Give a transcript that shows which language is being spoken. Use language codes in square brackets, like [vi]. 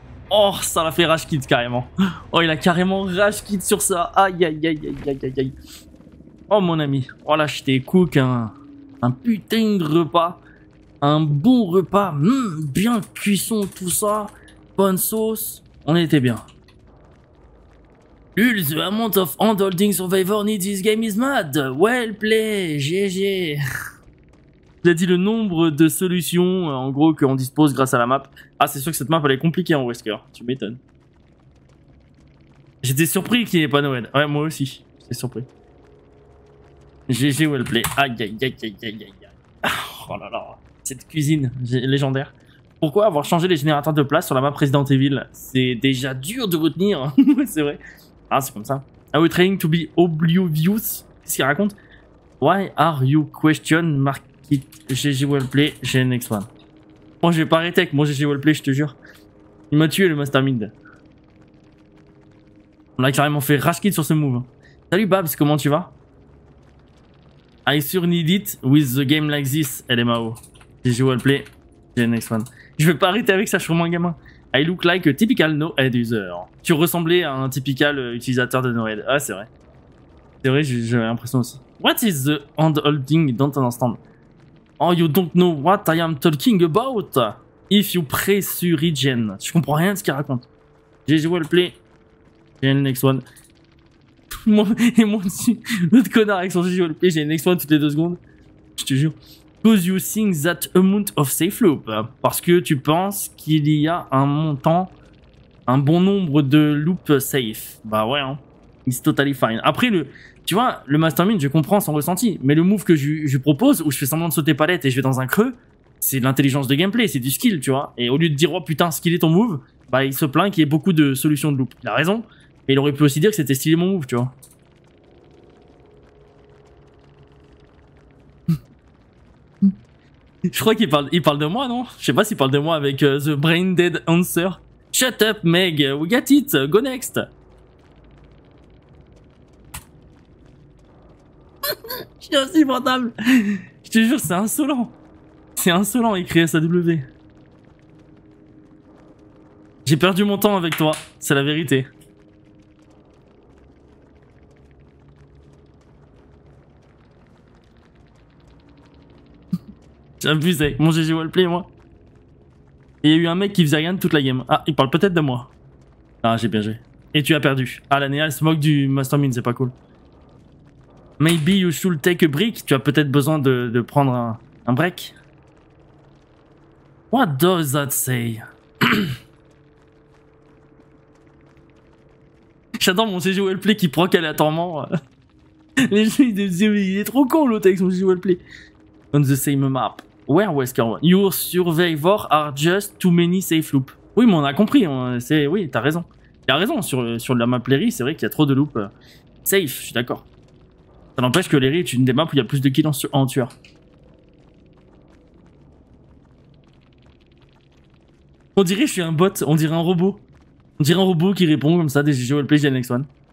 [fr] Oh, ça l'a fait rage quit carrément. Oh, il a carrément rage quit sur ça. Aïe, aïe, aïe, aïe, aïe, aïe, aïe. Oh, mon ami. Oh, là, je t'ai cook un putain de repas. Un bon repas. Mmh, bien cuisson, tout ça. Bonne sauce. On était bien. [en] Lul, the amount of handholding survivor needs this game is mad. Well played, GG. [fr] Il a dit le nombre de solutions en gros qu'on dispose grâce à la map. Ah, c'est sûr que cette map elle est compliquée en Wesker. Tu m'étonnes. J'étais surpris qu'il n'y ait pas Noël. Ouais, moi aussi. J'étais surpris. GG Wellplay. Aïe aïe aïe aïe aïe aïe aïe. Oh là là. Cette cuisine légendaire. Pourquoi avoir changé les générateurs de place sur la map Resident Evil? C'est déjà dur de retenir. C'est vrai. Ah, c'est comme ça. [en] Are we trying to be oblivious? [fr] Qu'est-ce qu'il raconte? [en] Why are you question mark? GG Wellplay, j'ai next one. [fr] Moi j'ai pas arrêté avec mon GG Wellplay, je te jure. Il m'a tué le Mastermind. On a carrément fait rush kill sur ce move. Salut Babs, comment tu vas? [en] I sure need it with the game like this, LMAO. GG Wellplay, j'ai next one. [fr] Je vais pas arrêter avec ça, je suis vraiment un gamin. [en] I look like a typical no head user. [fr] Tu ressemblais à un typical utilisateur de no head. Ah, c'est vrai. C'est vrai, j'ai l'impression aussi. [en] What is the hand holding [fr] dans ton stand? [en] Oh, you don't know what I am talking about. If you pressure regen. [fr] Je comprends rien de ce qu'il raconte. GG Wellplay. J'ai le next one. Moi, et moi aussi. L'autre connard avec son GG Wellplay. J'ai le next one toutes les deux secondes. Je te jure. [en] Cause you think that amount of safe loop. [fr] Parce que tu penses qu'il y a un montant, un bon nombre de loops safe. Bah ouais, hein. [en] It's totally fine. [fr] Après, le... Tu vois, le mastermind, je comprends son ressenti, mais le move que je propose, où je fais semblant de sauter palette et je vais dans un creux, c'est de l'intelligence de gameplay, c'est du skill, tu vois. Et au lieu de dire, oh putain, skill est ton move, bah il se plaint qu'il y ait beaucoup de solutions de loop. Il a raison, mais il aurait pu aussi dire que c'était stylé mon move, tu vois. Je crois qu'il parle, de moi, non? Je sais pas s'il parle de moi avec The Brain Dead Answer. [en] Shut up, Meg, we got it, go next. [fr] Je suis insupportable. Je te jure, c'est insolent. C'est insolent, écrit SAW. J'ai perdu mon temps avec toi. C'est la vérité. J'abuse avec mon GG Wellplay, moi. Il y a eu un mec qui faisait rien de toute la game. Ah, il parle peut-être de moi. Ah, j'ai bien joué. Et tu as perdu. Ah, la Néa, elle se moque du Mastermind, c'est pas cool. [en] Maybe you should take a break. [fr] Tu as peut-être besoin de prendre un break. [en] What does that say? [fr] J'adore mon GG Wellplay qui proc aléatoirement. Les gens ils disent, il est trop con l'autre avec son GG Wellplay. [en] On the same map. Where Wesker 1? Your survivors are just too many safe loops. [fr] Oui, mais on a compris. C'est, oui, t'as raison. T'as raison sur la map Leri. C'est vrai qu'il y a trop de loops safe. Je suis d'accord. Ça n'empêche que Leri est une des maps où il y a plus de kills en tueur. On dirait que je suis un bot, on dirait un robot. On dirait un robot qui répond comme ça, des GG Wellplay, j'ai next one.